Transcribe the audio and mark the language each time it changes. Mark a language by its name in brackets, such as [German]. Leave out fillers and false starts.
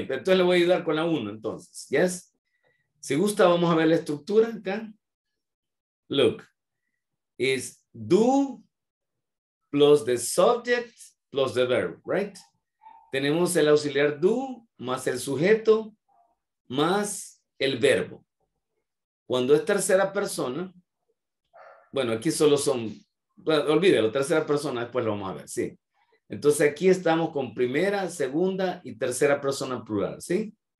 [Spanish] Entonces le voy a ayudar con la 1, entonces. Yes. Si gusta, vamos a ver la estructura acá. [English] Look. Is do plus the subject plus the verb, right? [Spanish] Tenemos el auxiliar do más el sujeto más el verbo. Cuando es tercera persona, bueno, aquí solo son, bueno, olvídelo, tercera persona, después lo vamos a ver, sí. Entonces aquí estamos con primera, segunda y tercera persona plural, ¿sí?